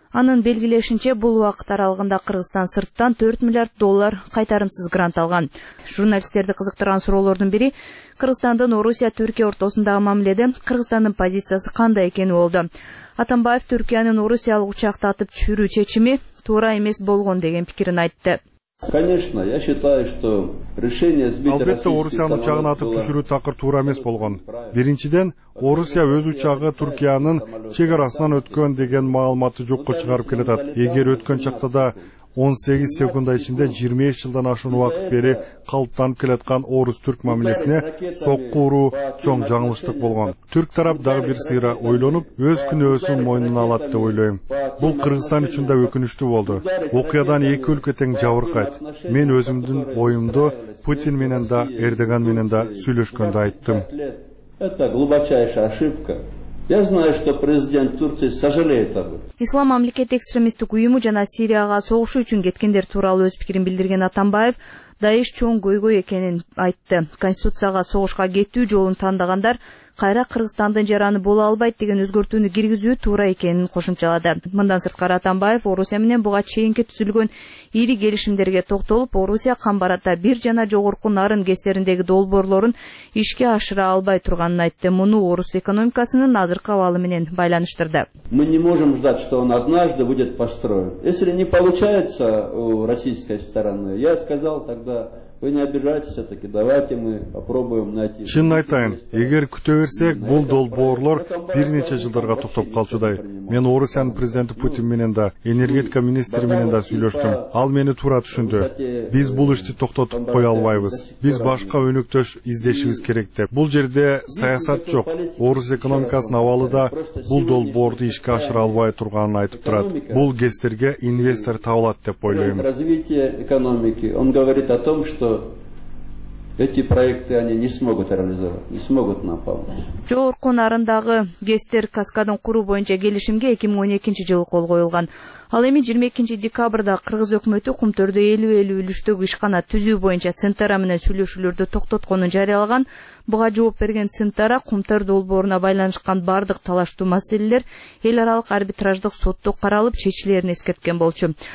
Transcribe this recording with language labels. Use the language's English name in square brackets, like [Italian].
[Kyrgyz] Анын белгилешинче, бул убакыт аралыгында Кыргызстан сырттан 4 миллиард доллар кайтарымсыз грант алган. Журналисттерди кызыктырган суроолордун бири Кыргызстандын Орусия Түркия ортосундагы мамиледе Кыргызстандын позициясы кандай экени болду. Атамбаев Түркиянын Орусиялык учакты атып түшүрүү чечими туура эмес болгон деген пикирин айтты. [Russian] Конечно, я считаю, что решение сбить [Kyrgyz] албетте Орусиянын учагын атып түшүрүү такыр туура эмес болгон. Биринчиден, Орусия өз учагы Түркиянын чек арасынан өткөн деген маалыматты жокко чыгарып келатат. Эгер өткөн чакта да 18 секунда ичинде 25 жылдан ашуун убакыт бери калыптанып келаткан орус түрк мамилесине сокку уруу чоң жаңылыштык болгон. Түрк тарап дагы бир сыйра ойлонуп, өз күнөөсүн мойнуна алат деп ойлойм. Бул Кыргызстан үчүн да өкүнүчтүү болду. Окуядан эки өлкө тең жабыркайт. Мен өзүмдүн оюмду Путин менен да Эрдоган менен да сүйлөшкөндө айттым. [Russian] Это глубочайшая ошибка. Я знаю, что президент Турции сожалеет об этом. [Kyrgyz] Ислам мамлекети экстремисттик уюму жана Сирияга согушуу үчүн кеткендер тууралуу өз пикирин билдирген Атамбаев Даиш чоң көйгөй экенин айтты. Конституцияга согушка кетүү жолун тандагандар кайра Кыргызстандын жараны боло албайт деген өзгөртүүнү киргизүү туура экенин кошумчалады. Мындан сырткары Атамбаев Орусия менен буга чейинки түзүлгөн ири келишимдерге токтолуп, Орусия камбарата бир жана жогорку Нарын гестериндеги долбоорлорун ишке ашыра албай турганын айтты. Муну орус экономикасынын азыркы абалы менен байланыштырды. [Russian] Мы не можем ждать, что он однажды будет построен. Если не получается у российской стороны, я сказал тогда. Вы не обижайтесь, все-таки давайте мы попробуем найти. [Kyrgyz] Чын айтайын, эгер күтө берсек, бул долбоорлор бир нече жылдарга токтоп калчудай. Мен Орусиянын президенти Путин менен да, энергетика министри менен да сүйлөштүм. Ал мени туура түшүндү. Биз бул ишти токтотуп кое албайбыз. Биз башка өнүктөш издешибиз керек деп. Бул жерде саясат жок. Орус экономикасынын абалы да бул долбоорду ишке ашыра албай турганын айтып турат. Бул гестерге инвестор табылат деп ойлойм. [Russian] Развитие экономики. Он говорит о том, что эти проекты они не смогут реализовать, не смогут нам помочь. [Kyrgyz] Жогорку Нарындагы гестер каскадын куруу боюнча келишимге 2012 жылы кол коюлган. Ал эми 22 декабрда кыргыз өкмөтү кумтөрдө 50-50 үлүштөгү ишкана түзүү боюнча Центара менен сүйлөшүүлөрдү токтотконун жарыялаган. Буга жооп берген Центара кумтөр долбооруна байланышкан бардык талаштуу маселелер эл аралык арбитраждык сотто каралып чечилерин эскерткен болчу.